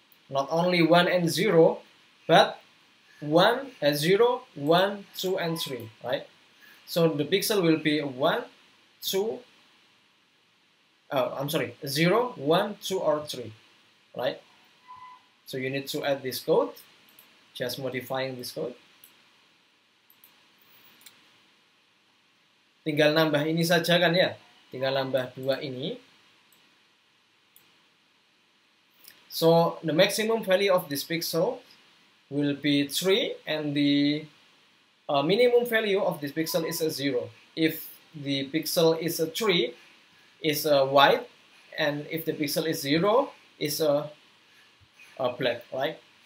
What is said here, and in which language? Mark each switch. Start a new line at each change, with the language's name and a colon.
English: Not only 1 and 0, but 1 and 0, 1, 2, and 3, right? So the pixel will be 1, 2, oh, I'm sorry, 0, 1, 2, or 3, right? So you need to add this code, just modifying this code.
Indonesian: Tinggal nambah ini saja kan ya? Tinggal nambah 2 ini.
English: So the maximum value of this pixel will be 3, and the minimum value of this pixel is a 0. If the pixel is a 3, is a white, and if the pixel is 0, is a black, right?